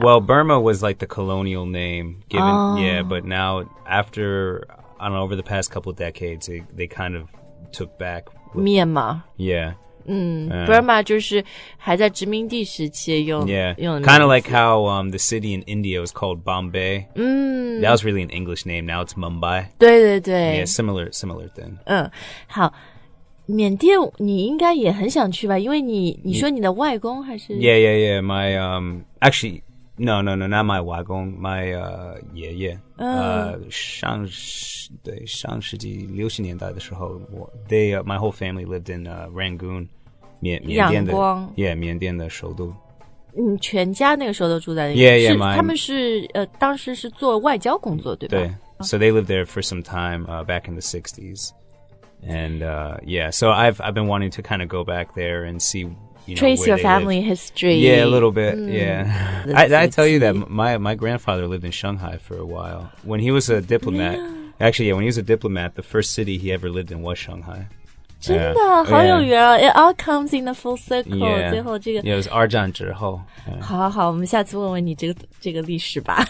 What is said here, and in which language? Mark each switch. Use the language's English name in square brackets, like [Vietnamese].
[English] Well, Burma was like the colonial name given,、oh. yeah, but now after, I don't know, over the past couple of decades, they kind of took back. With, Myanmar. Yeah.、 [Chinese] Mm, Burma 就是还在殖民地时期用 [English] Yeah, [Chinese] 用的 [English] kind of like how、the city in India was called Bombay.、 Mm. That was really an English name, now it's Mumbai. [Chinese] 对对对。 [English] Yeah, similar thing. [Chinese] 嗯，好。缅甸你应该也很想去吧因为你说你的外公还是 [English] Yeah, yeah, yeah, my, actually, no, not my 外公 my, 爷爷、 [Chinese] 上世纪六十年代的时候 [English] my whole family lived in、Rangoon, [Chinese] 缅甸的阳光 Yeah, 缅甸的首都你全家那个时候都住在那 [English] Yeah, yeah, my [Chinese] 他们是、当时是做外交工作对吧 [English] 对 So they lived there for some time、back in the 60s And, yeah, so I've been wanting to kind of go back there and see, you know, trace your family history. Yeah, a little bit,、mm. yeah. I tell you that my grandfather lived in Shanghai for a while. When he was a diplomat,、yeah. actually, yeah, when he was a diplomat, the first city he ever lived in was Shanghai. [Chinese] 真的、yeah. 好有缘啊、yeah. [English] It all comes in the full circle. Yeah, [Chinese] 最后、这个、 [English] yeah it was [Chinese] 二战之后。好好好我们下次问问你这个历史吧。